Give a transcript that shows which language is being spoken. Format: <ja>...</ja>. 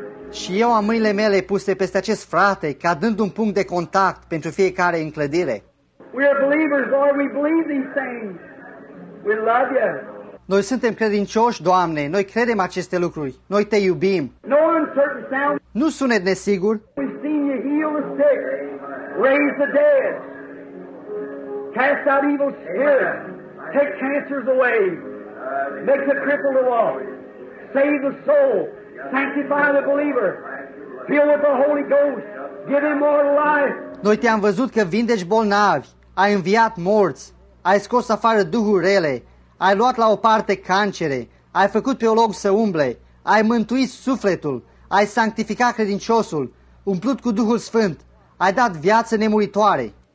<ro>Și eu am mâinile mele puse peste acest frate, ca dând un punct de contact pentru fiecare în clădire.</ro> <en>We are believers, Lord, we believe these things. We love you.</en> <ro>Noi suntem credincioși, Doamne, noi credem aceste lucruri, noi te iubim.</ro> <en>No uncertain sound.</en> <ro>Nu sunet nesigur.</ro> <en>We've seen you heal the sick, raise the dead, cast out evil spirits, take cancers away, make the crippled to walk, save the soul, sanctify the believer, fill with the Holy Ghost, give him more life.</en> <ro>Noi te-am văzut că vindeci bolnavi, ai înviat morți, ai scos afară duhuri rele, ai luat la o parte cancere, ai făcut pe teolog să umble, ai mântuit sufletul, ai sanctificat credinciosul, umplut cu Duhul Sfânt, ai dat viață nemuritoare.</ro>